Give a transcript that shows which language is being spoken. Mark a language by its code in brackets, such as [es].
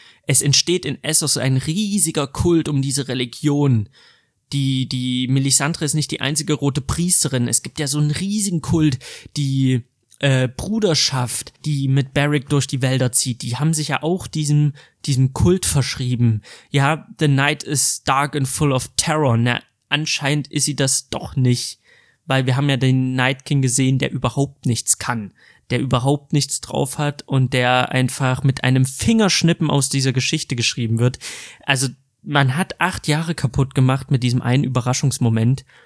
[de] es entsteht in Essos ein riesiger Kult um diese Religion. Die Melisandre ist nicht die einzige rote Priesterin. Es gibt ja so einen riesigen Kult, die Bruderschaft, die mit Beric durch die Wälder zieht, die haben sich ja auch diesem Kult verschrieben. [en] Ja, the night is dark and full of terror. [de] Na, anscheinend ist sie das doch nicht, weil wir haben ja den Night King gesehen, der überhaupt nichts kann, der überhaupt nichts drauf hat und der einfach mit einem Fingerschnippen aus dieser Geschichte geschrieben wird. Also man hat 8 Jahre kaputt gemacht mit diesem einen Überraschungsmoment.